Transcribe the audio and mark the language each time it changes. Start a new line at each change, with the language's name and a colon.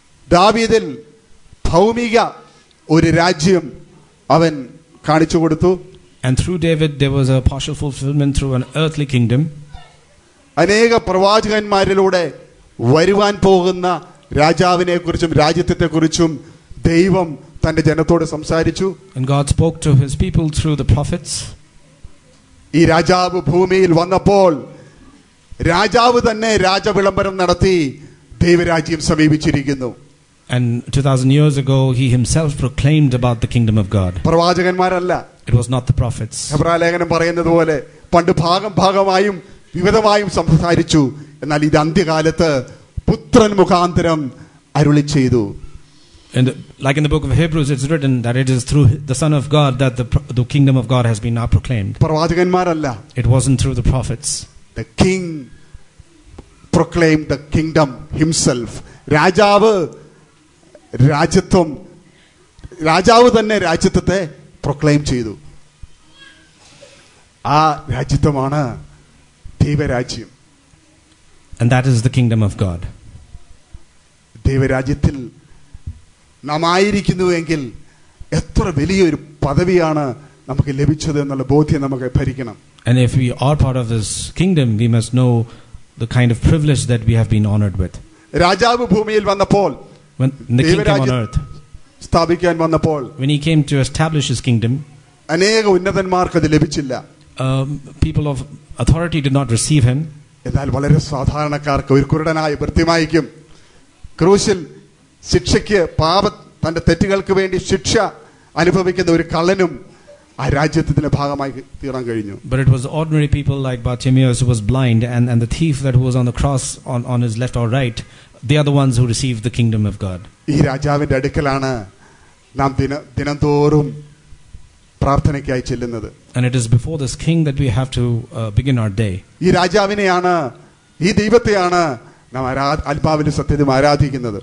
Malayalam: ദാവീദിൽ ഭൗമിക ഒരു രാജ്യം അവൻ കാണിച്ചു കൊടുത്തു.
English: And through David there was a partial fulfillment through an earthly kingdom.
Malayalam: അനേക പ്രവാചകന്മാരിലൂടെ വരുവാൻ പോകുന്ന രാജാവിനെ കുറിച്ചും രാജ്യത്തെ കുറിച്ചും ദൈവം തന്റെ ജനത്തോട് സംസാരിച്ചു.
English: And God spoke to his people through the prophets.
Malayalam: ഈ രാജാവ് ഭൂമിയിൽ വന്നപ്പോൾ രാജാവ് തന്നെ രാജവിളംബരം നടത്തി ദൈവരാജ്യം സമീപിച്ചിരിക്കുന്നു.
English: And 2000 years ago he himself proclaimed about the kingdom of God.
Malayalam: പ്രവാചകന്മാരല്ല,
English: it was not the prophets.
Malayalam: എബ്രായ ലേഖനം പറയുന്നത് പോലെ പണ്ട് ഭാഗം ഭാഗമായും വിവിധമായും സംസാരിച്ചു, എന്നാൽ ഇത് അന്ത്യകാലത്ത് പുത്രൻ മുഖാന്തരം അരുളി ചെയ്തു.
English: And like in the book of Hebrews it's written that it is through the Son of God that the kingdom of God has been now proclaimed.
Malayalam: പ്രവാചകന്മാരല്ല,
English: it wasn't through the prophets. The king proclaimed the kingdom himself.
Malayalam: രാജാവ് രാജ്യത്വം രാജാവ് തന്നെ രാജ്യത്വത്തെ proclaim ചെയ്തു. ആ രാജ്യത്വമാണ് ദൈവരാജ്യം.
English: And that is the kingdom of God.
Malayalam: ദൈവരാജ്യത്തിൽ നാം ആയിരിക്കുന്നുവെങ്കിൽ എത്ര വലിയ ഒരു പദവിയാണ് നമുക്ക് ലഭിച്ചത് എന്നുള്ള ബോധ്യം നമുക്ക് ഭരിക്കണം.
English: And if we are part of this kingdom, we must know the kind of privilege that we have been honored with.
Malayalam: രാജാവ് ഭൂമിയിൽ വന്നപ്പോൾ,
English: when the king came on earth,
Malayalam: സ്ഥാപിക്കാൻ വന്നപ്പോൾ,
English: when he came to establish his kingdom,
Malayalam: അനേക ഉന്നതന്മാർക്ക് അത് ലഭിച്ചില്ല.
English: People of authority did not receive him.
Malayalam: എന്നാൽ വളരെ സാധാരണക്കാർക്ക്, ഒരു കുരുടനായ ബർത്തിമായിക്കും ക്രൂശിൽ ശിക്ഷയ്ക്ക്, പാപ തന്റെ തെറ്റുകൾക്ക് വേണ്ടി ശിക്ഷ അനുഭവിക്കുന്ന ഒരു കള്ളനും ആ രാജ്യത്തിന്റെ ഭാഗമായി തീരാൻ കഴിഞ്ഞു.
English: But it was ordinary people like Bartimaeus who was blind and the thief that was on the cross on his left or right, they are the ones who received the kingdom of God.
Malayalam: ഈ രാജാവിന്റെ അടുക്കലാണ് നാം ദിനംതോറും പ്രാർത്ഥനയ്ക്കായി ചെല്ലുന്നത്.
English: And it is before this king that we have to begin our day.
Malayalam: ഈ രാജാവിനെയാണ്, ഈ ദൈവത്തെയാണ് നാം ആത്മാവിലും സത്യത്തിലും ആരാധിക്കുന്നത്.